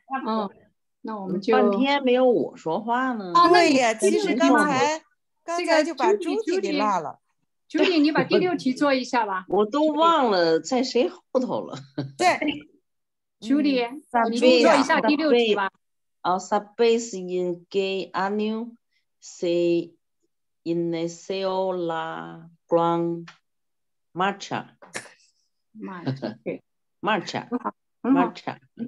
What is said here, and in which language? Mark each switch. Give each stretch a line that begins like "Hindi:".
Chinese: 哦，那我们就半天没有我说话呢。哦，对呀，其实刚才就把朱迪给落了。朱迪，你把第六题做一下吧。我都忘了在谁后头了。对，朱迪，你做一下第六题吧。
Spanish: 啊 ，Sabes en qué año se inició la Gran Marcha？
English: March，March，March，